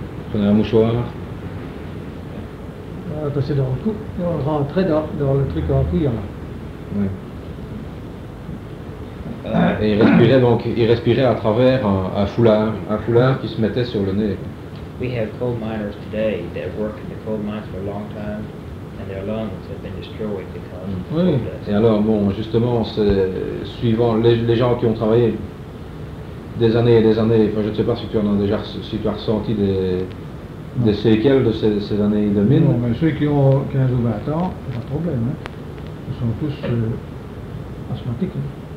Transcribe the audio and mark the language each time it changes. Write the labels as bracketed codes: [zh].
[fr] Prenez un mouchoir. Passer dans le cou, on rentrait dans le truc en cuir là. Oui. Et il respirait donc, il respirait à travers un foulard qui se mettait sur le nez. [en] We have coal miners today that work in the coal mines for a long time and their lungs have been destroyed because of the coal dust. [fr] Oui. Et alors bon, justement, c'est suivant les gens qui ont travaillé des années et des années, enfin je ne sais pas si tu as ressenti des séquelles de ces années de mine. Non, mais ceux qui ont 15 ou 20 ans, pas de problème, hein. Ils sont tous asthmatiques. Hein.